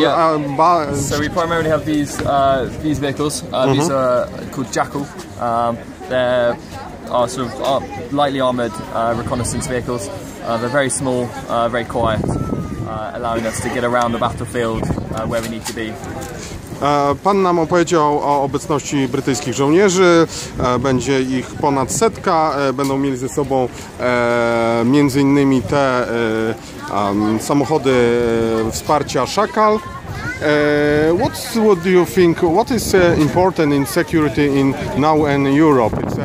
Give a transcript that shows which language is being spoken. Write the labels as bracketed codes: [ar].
[en] Yeah. So we primarily have these vehicles. These are called Jackal. They are sort of lightly armoured reconnaissance vehicles. They're very small, very quiet, allowing us to get around the battlefield where we need to be. [pl] Pan nam opowiedział o obecności brytyjskich żołnierzy, będzie ich ponad setka, będą mieli ze sobą między innymi te samochody wsparcia Szakal. [en] What do you think, what is important in security in now in Europe?